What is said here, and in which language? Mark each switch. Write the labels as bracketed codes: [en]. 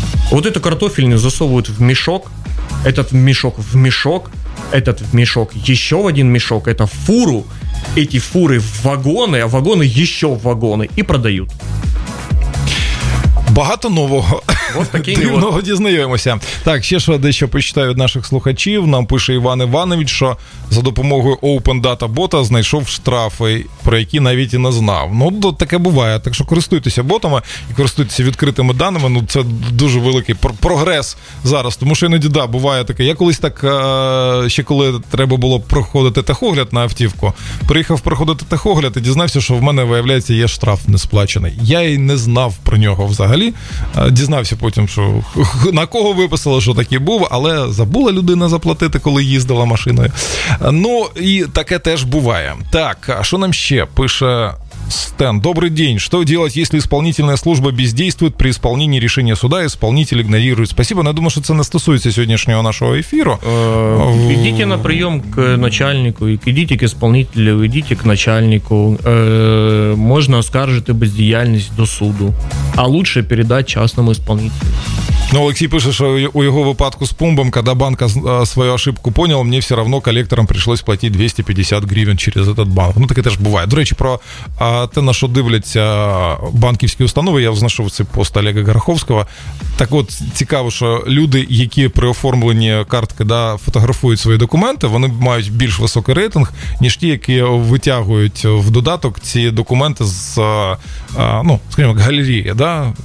[ru] Вот эту картофелину засовывают в мешок, этот в мешок в мешок, этот в мешок еще в один мешок, это в фуру, эти фуры в вагоны, а вагоны еще в вагоны, и продают. [uk] Багато нового. Дивного дізнаємося. Так, ще ж дещо почитаю від наших слухачів. Нам пише Іван Іванович, що за допомогою Open Data бота знайшов штрафи, про які навіть і не знав. Ну, таке буває. Так що користуйтеся ботами і користуйтеся відкритими даними. Ну, це дуже великий прогрес зараз. Тому що іноді, буває таке. Я колись так, ще коли треба було проходити техогляд на автівку, приїхав проходити техогляд і дізнався, що в мене, виявляється, є штраф несплачений. Я й не знав про нього взагалі. Дізнався потім, що на кого виписали, що такий був, але забула людина заплатити, коли їздила машиною. Ну, і таке теж буває. Так, а що нам ще? Пише Стен. Добрий день. [ru] Что делать, если исполнительная служба бездействует при исполнении решения суда, исполнитель игнорирует? Спасибо. Но я думаю, что это не стосується сегодняшнего нашего эфира. Идите на прием к начальнику, идите к исполнителю, идите к начальнику. Можно [uk] оскаржить бездіяльність до суду. [ru] А лучше передать частному исполнителю. Ну, Алексей пишет, что у его випадку с пумбом, когда банк свою ошибку понял, мне все равно коллекторам пришлось платить 250 гривен через этот банк. [uk] Ну, таке теж буває. До речі, про те, на що дивляться банківські установи, я взнашов цей пост Олега Гараховського. Так от, цікаво, що люди, які при оформленні картки, да, фотографують свої документи, вони мають більш високий рейтинг, ніж ті, які витягують в додаток ці документи з, ну, скажімо, галереї, да?